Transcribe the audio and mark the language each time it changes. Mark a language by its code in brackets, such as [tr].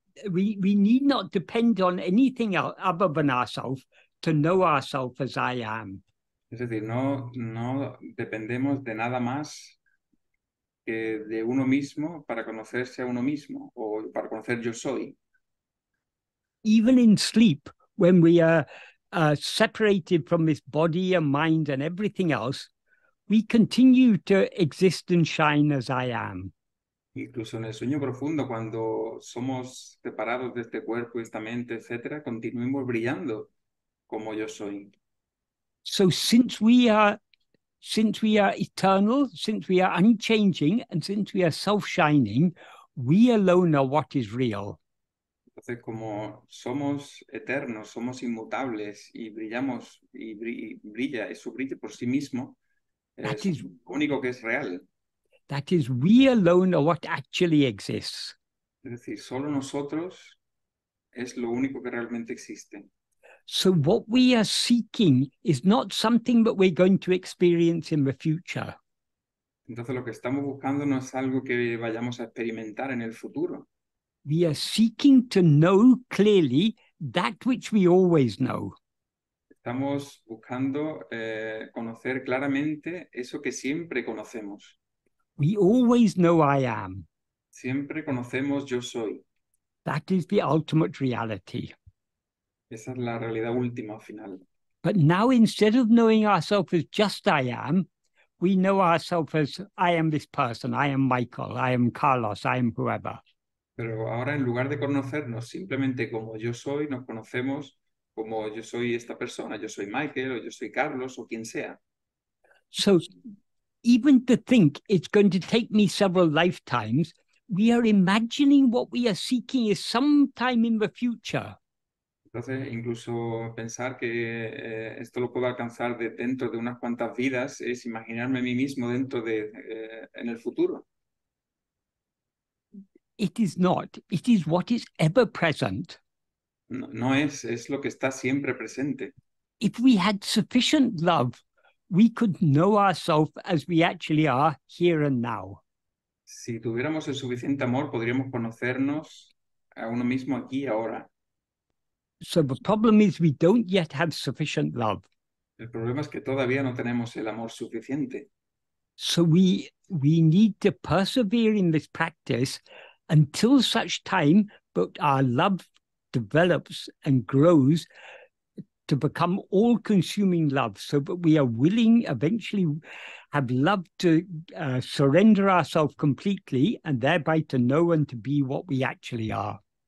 [en] we need not depend on anything else other than ourselves to know ourselves as I am. [es] Es decir, no dependemos de nada más que de uno mismo para conocerse a uno mismo o para conocer yo soy. [en] Even in sleep, when we are separated from this body and mind and everything else, we continue to exist and shine as I am. [es] Incluso en el sueño profundo, cuando somos separados de este cuerpo y esta mente, etc., continuemos brillando como yo soy. [en] So since we are eternal, since we are unchanging, and since we are self-shining, we alone are what is real. [es] Entonces, como somos eternos, somos inmutables y brillamos y brilla, eso brilla por sí mismo, es lo único que es real. [en] That is, we alone are what actually exists. [es] Es decir, solo nosotros es lo único que realmente existe. [en] So what we are seeking is not something that we're going to experience in the future. [es] Entonces lo que estamos buscando no es algo que vayamos a experimentar en el futuro. [en] We are seeking to know clearly that which we always know. [es] Estamos buscando conocer claramente eso que siempre conocemos. [en] We always know I am. [es] Siempre conocemos yo soy. [en] That is the ultimate reality. [es] Esa es la realidad última al final. [en] But now, instead of knowing ourselves as just I am, we know ourselves as I am this person, I am Michael, I am Carlos, I am whoever. [es] Pero ahora, en lugar de conocernos simplemente como yo soy, nos conocemos como yo soy esta persona, yo soy Michael, o yo soy Carlos, o quien sea. [en] So, even to think it's going to take me several lifetimes, we are imagining what we are seeking is sometime in the future. [es] Entonces, incluso pensar que esto lo puedo alcanzar de dentro de unas cuantas vidas es imaginarme a mí mismo dentro de en el futuro. [en] It is not. It is what is ever present. [es] No, es lo que está siempre presente. [en] If we had sufficient love, we could know ourselves as we actually are here and now. [es] Si tuviéramos el suficiente amor, podríamos conocernos a uno mismo aquí y ahora. [en] So the problem is we don't yet have sufficient love. [es] El problema es que todavía no tenemos el amor suficiente. [en] So we need to persevere in this practice until such time that our love develops and grows to become all-consuming love, so that we are willing eventually have love to surrender ourselves completely and thereby to know and to be what we actually are.